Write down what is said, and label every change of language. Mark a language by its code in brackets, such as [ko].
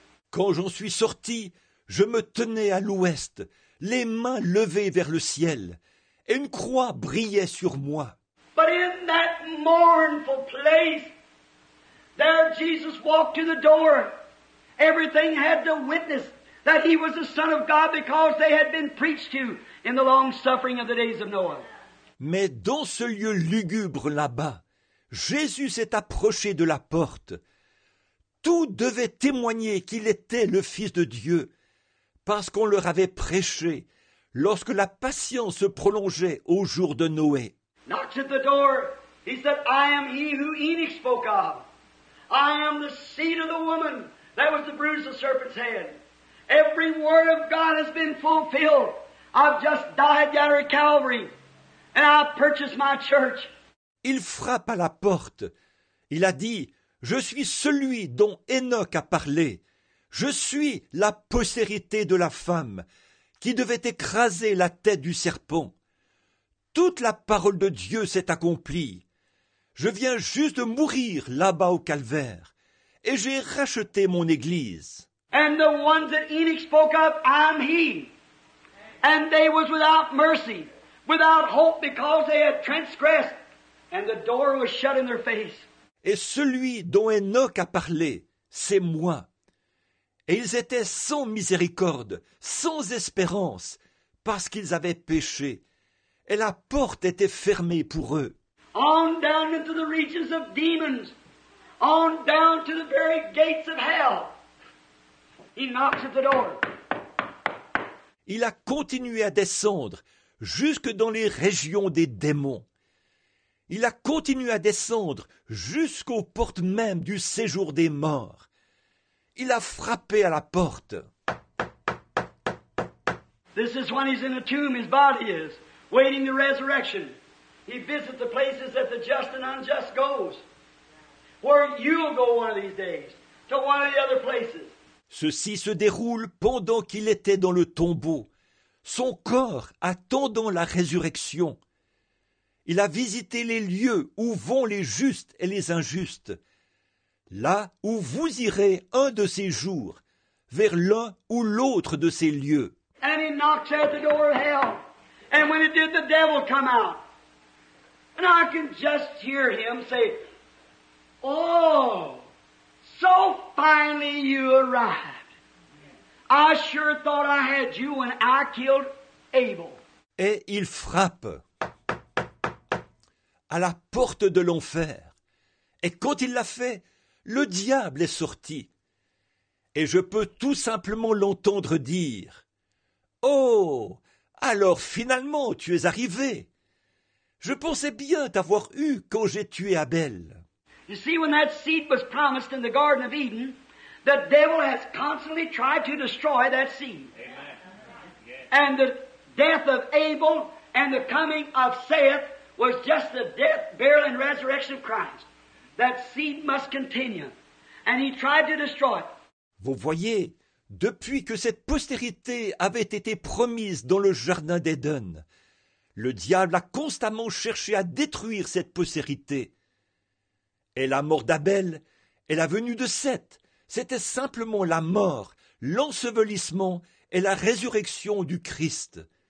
[fr] Quand j'en suis sorti, je me tenais à l'ouest, les mains levées vers le ciel, et une croix brillait sur moi. [en] But in that mournful place, there Jesus walked to the door. Everything had to witness that he was the Son of God because they had been preached to in the long suffering of the days of Noah. [fr] Mais dans ce lieu lugubre là-bas, Jésus s'est approché de la porte. Tout devait témoigner qu'il était le Fils de Dieu, parce qu'on leur avait prêché lorsque la patience se prolongeait au jour de Noé. [en] Knocks at the door. He said, I am he who Enoch spoke of. I am the seed of the woman that was the bruise of the serpent's head. Every word of God has been fulfilled. I've just died down at Calvary and I purchased my church. [fr] Il frappe à la porte. Il a dit, je suis celui dont Enoch a parlé. Je suis la postérité de la femme qui devait écraser la tête du serpent. Toute la parole de Dieu s'est accomplie. Je viens juste de mourir là-bas au calvaire et j'ai racheté mon église. [en] And the ones that Enoch spoke of, I'm he. And they was without mercy, without hope because they had transgressed and the door was shut in their face. [fr] Et celui dont Enoch a parlé, c'est moi. Et ils étaient sans miséricorde, sans espérance parce qu'ils avaient péché. Et la porte était fermée pour eux. [en] On down into the regions of demons. On down to the very gates of hell. He knocks at the door. [fr] Il a continué à descendre jusque dans les régions des démons. Il a continué à descendre jusqu'aux portes même du séjour des morts. Il a frappé à la porte. [en] This is when he's in a tomb, his body is. Waiting the resurrection, he visits the places that the just and unjust goes, where you'll go one of these days, to one of the other places. [fr] Ceci se déroule pendant qu'il était dans le tombeau, son corps attendant la résurrection. Il a visité les lieux où vont les justes et les injustes, là où vous irez un de ces jours, vers l'un ou l'autre de ces lieux. [en] And he knocks at the door of hell. And when it did, the devil come out. And I can just hear him say, "Oh, so finally you arrived. I sure thought I had you when I killed Abel." [fr] Et il frappe à la porte de l'enfer. Et quand il l'a fait, le diable est sorti. Et je peux tout simplement l'entendre dire, « Oh, alors finalement tu es arrivé. Je pensais bien t'avoir eu quand j'ai tué Abel. » [en] You see, when that seed was promised in the Garden of Eden, the devil has constantly tried to destroy that seed. Amen. And the death of Abel and the coming of Seth was just the death, burial, and resurrection of Christ. That seed must continue. And he tried to destroy it. [fr] Vous voyez, depuis que cette postérité avait été promise dans le jardin d'Éden, le diable a constamment cherché à détruire cette postérité. Et la mort d'Abel et la venue de Seth, c'était simplement la mort, l'ensevelissement et la résurrection du Christ.